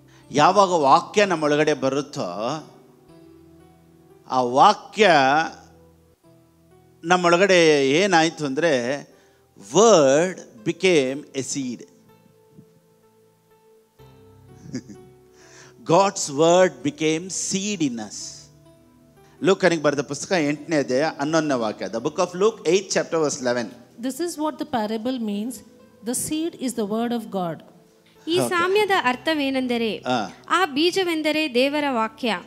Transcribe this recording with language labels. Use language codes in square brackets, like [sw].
[kn] ಯಾವಾಗ ವಾಕ್ಯ ನಮ್ಮೊಳಗಡೆ ಬರುತ್ತೋ ಆ ವಾಕ್ಯ ನಮ್ಮೊಳಗಡೆ ಏನಾಯ್ತು ಅಂದ್ರೆ, [en] Word became a seed. God's word became seed in us. [kn] Luke anik barada pustaka 8:11 [en] the book of Luke 8:11 this is what the parable means. The seed is the word of God. [kn] ಈ ಸಾಮ್ಯದ ಅರ್ಥವೇನೆಂದರೆ ಆ ಬೀಜವೆಂದರೆ ದೇವರ ವಾಕ್ಯ.